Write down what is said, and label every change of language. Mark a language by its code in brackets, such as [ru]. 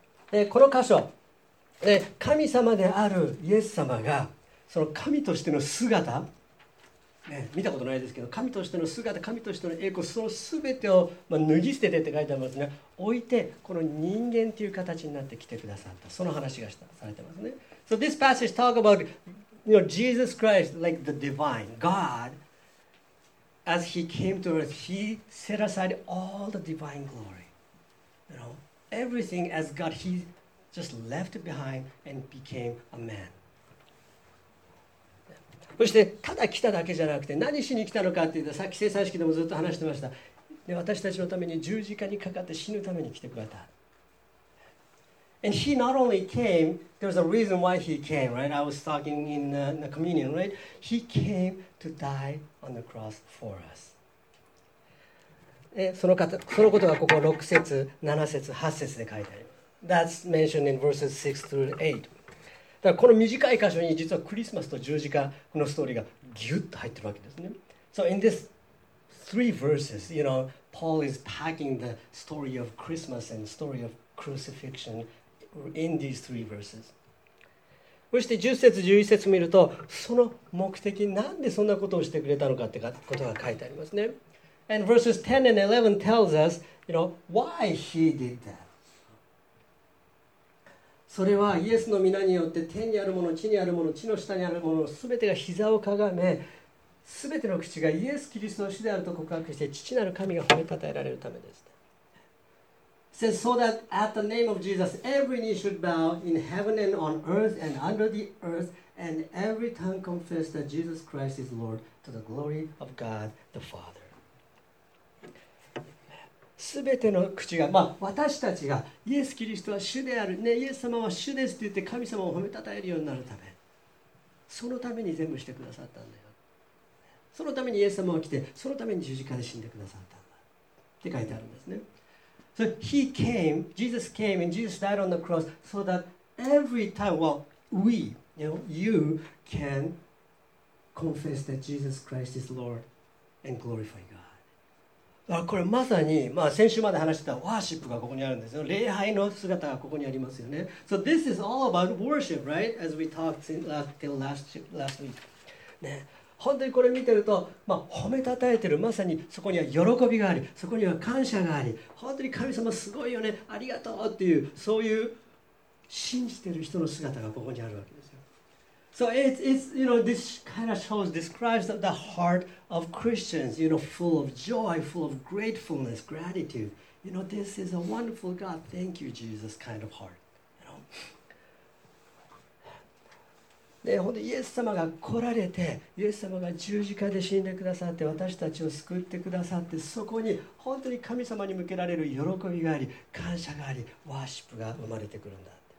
[ja] でこの箇所で、神様であるイエス様が、その神としての姿、ね、見たことないですけど、神としての姿、神としての栄光、そのすべてを、まあ、脱ぎ捨ててって書いてありますね。置いてこの人間という形になってきてくださった、その話がしたされてますね。 [en] So this passage talk about, you know, Jesus Christ like the divine God as he came to earth, he set aside all the divine glory, you know, everything as God, he just left behind and became a man. [ja] そしてただ来ただけじゃなくて、何しに来たのかっていうと、さっき聖餐式でもずっと話してました。で、私たちのために十字架にかかって死ぬために来てくれた。 [en] And he not only came, there's a reason why he came, right? I was talking in the communion, right? He came to die on the cross for us. [ja] そのことがここ6節、7節、8節で書いてある。 [en] That's mentioned in verses 6 through 8. [ja] だからこの短い箇所に実はクリスマスと十字架のストーリーがギュッと入ってるわけですね。 [en] So in this three verses, you know,Paul is packing the story of Christmas and the story of crucifixion in these three verses. [ja] そして10節11節を見ると、その目的、なんでそんなことをしてくれたのかってことが書いてありますね。 [en] And verses 10 and 11 tells us, you know, why he did that. [ja] それはイエスの御名によって天にあるもの、地にあるもの、地の下にあるもの、すべてが膝をかがめ、すべての口がイエス・キリストの主であると告白して、父なる神が褒めたたえられるためです。 [en] Says so that at the name of Jesus, every knee should bow in heaven and on earth and under the earth, and every tongue confess that Jesus Christ is Lord to the glory of God the Father. [ja] すべての口が、まあ私たちがイエス・キリストは主である、ね、イエス様は主ですと言って神様を褒めたたえるようになるため、そのために全部してくださったんだよ。そのためにイエス様は来て、そのために十字架で死んでくださったんだって書いてあるんですね。 [en] So he came, Jesus came, and Jesus died on the cross so that every time, well, we, you know, you can confess that Jesus Christ is Lord and glorify God. [ja] これまさに、まあ、先週まで話してたワーシップがここにあるんですよ。礼拝の姿がここにありますよね。 [en] So this is all about worship, right? As we talked till last week. [ja] ね、本当にこれ見てると、まあ、褒めたたえてる、まさにそこには喜びがあり、そこには感謝があり、本当に神様すごいよね、ありがとうっていう、そういう信じてる人の姿がここにあるわけですよ。 [en] So it's, you know, this kind of shows, describes the heart of Christians, you know, full of joy, full of gratefulness, gratitude. You know, this is a wonderful God, thank you, Jesus, kind of heart. You know? [ja] で、本当にイエス様が来られて、イエス様が十字架で死んでくださって、私たちを救ってくださって、そこに本当に神様に向けられる喜びがあり、感謝があり、ワーシップが生まれてくるんだ。